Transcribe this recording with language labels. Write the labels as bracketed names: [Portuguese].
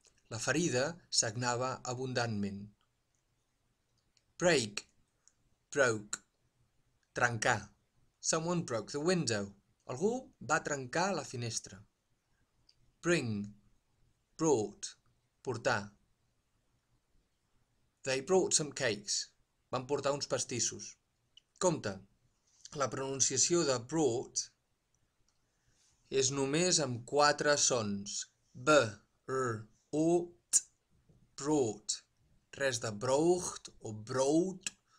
[Catalan] La ferida sagnava abundantment. [English] Break, broke, [Catalan] trencar. [English] Someone broke the window. [Catalan] Algú va trencar la finestra. [English] Bring, brought, portar. They brought some cakes. [Catalan] Van portar uns pastissos. Compte, la pronunciació de brought és només amb quatre sons. [English] B, R, O, T, brought. [Catalan] Res de brought o brought.